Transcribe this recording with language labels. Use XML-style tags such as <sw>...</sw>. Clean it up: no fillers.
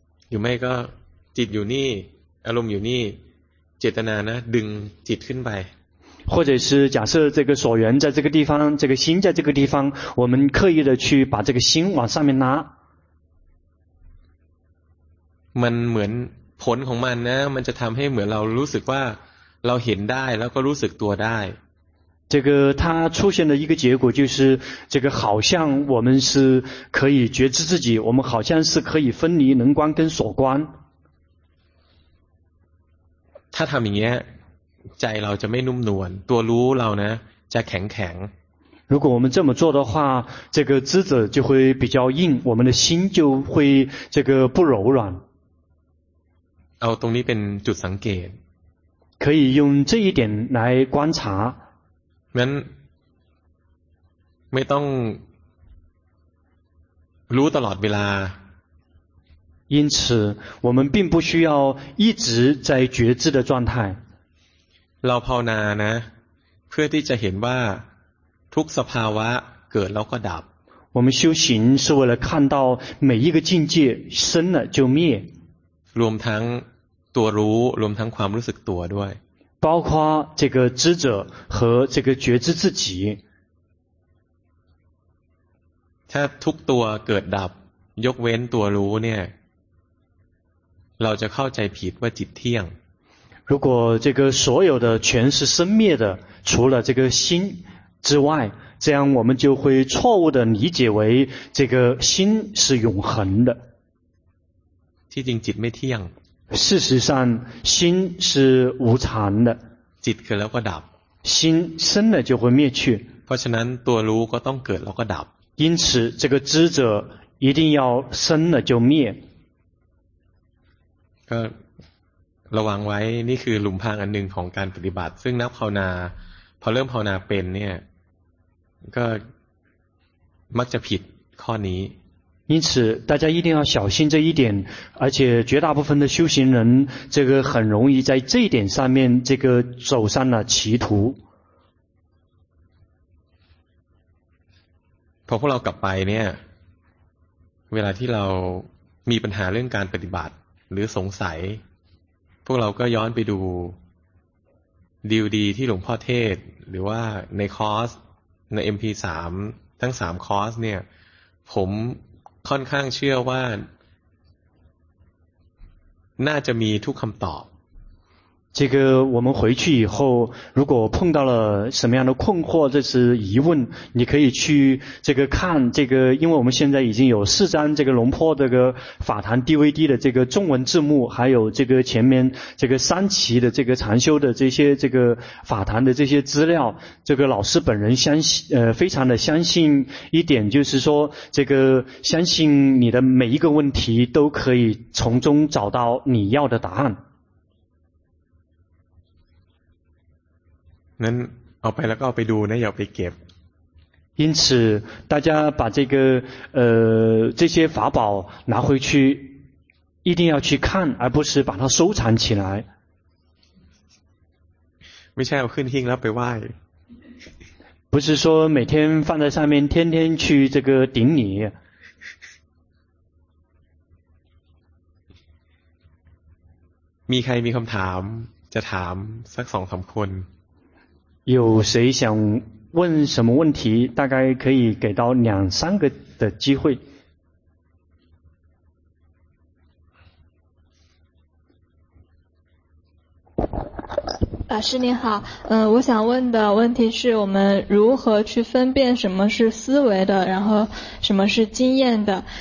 <th>อยู่ไม่ก็จิตอยู่นี่อารมณ์อยู่นี่เจตนานะดึงจิตขึ้นไป</th> <zh>或者是假设这个所缘在这个地方这个心在这个地方我们刻意的去把这个心往上面拉</zh> <th>มันเหมือนผลของมันนะมันจะทำให้เหมือนเรารู้สึกว่าเราเห็นได้แล้วก็รู้สึกตัวได้</th> <zh>这个它出现的一个结果就是这个好像我们是可以觉知自己我们好像是可以分离能观跟所观他</zh> <th>ทำอย่างนี้ใจเราจะไม่นุ่มนวลตัวรู้เรานะจะแข็งแข็ง</th> <zh>如果我们这么做的话这个知者就会比较硬我们的心就会这个不柔软</zh> <th>เอาตรงนี้เป็นจุดสังเกต</th> <zh>可以用这一点来观察</zh> <th>งั้นไม่ต้องรู้ตลอดเวลา</th> <zh>因此我们并不需要一直在觉知的状态</zh> <th>เราภาวนานะเพื่อที่จะเห็นว่าทุกสภาวะเกิดแล้วก็ดับ</th> <zh>我们修行是为了看到每一个境界生了就灭</zh> <th>รวมทั้งตัวรู้รวมทั้งความรู้สึกตัวด้วย</th> <zh>包括这个知者和这个觉知自己</zh> <th>ถ้าทุกตัวเกิดดับยกเว้นตัวรู้เนี่ยเราจะเข้าใจผิดว่าจิตเที่ยง</th> <zh>如果这个所有的全是生灭的除了这个心之外这样我们就会错误的理解为这个心是永恒的</zh> <th>ที่จริงจิตไม่เที่ยง</th> <zh>事实上心是无常的</zh> <th>จิตเกิดแล้วก็ดับ</th> <zh>心生了就会灭去</zh> <th>เพราะฉะนั้นตัวรู้ก็ต้องเกิดแล้วก็ดับ</th> <zh>因此这个知者一定要生了就灭</zh> <th>ก็ระวังไว้นี่คือหลุมพรางอันหนึ่งของการปฏิบัติซึ่งนักภาวนาพอเริ่มภาวนาเป็นเนี่ยก็มักจะผิดข้อนี้</th> <zh>因此大家一定要小心这一点而且绝大部分的修行人这个很容易在这一点上面这个走上了歧途</zh> <th>พอพวกเรากลับไปเนี่ยเวลาที่เรามีปัญหาเรื่องการปฏิบัติหรือสงสัยพวกเราก็ย้อนไปดู ดีลดีที่หลวงพ่อเทศหรือว่าในคอร์สใน MP3 ทั้ง3คอร์สเนี่ยผมค่อนข้างเชื่อว่าน่าจะมีทุกคำตอบ</th> <zh>这个我们回去以后如果碰到了什么样的困惑这是疑问你可以去这个看这个因为我们现在已经有四张这个龙坡这个法坛 DVD 的这个中文字幕还有这个前面这个三期的这个禅修的这些这个法坛的这些资料这个老师本人相信非常的相信一点就是说这个相信你的每一个问题都可以从中找到你要的答案</zh> <th>นั้นเอาไปแล้วก็เอาไปดูนะอย่าไปเก็บ</th> <zh>因此大家把这个这些法宝拿回去一定要去看而不是把它收藏起来</zh> <th>ไม่ใช่เอาขึ้นหิ้งแล้วไปไหว้</th> <zh>不是说每天放在上面天天去这个顶礼</zh> <th>มีใครมีคำถามจะถามสักสองสามคน</th> <zh>有谁想问什么问题？大概可以给到两三个的机会。法师您好，我想问的问题是我们如何去分辨什么是思维的，然后什么是经验的？</zh>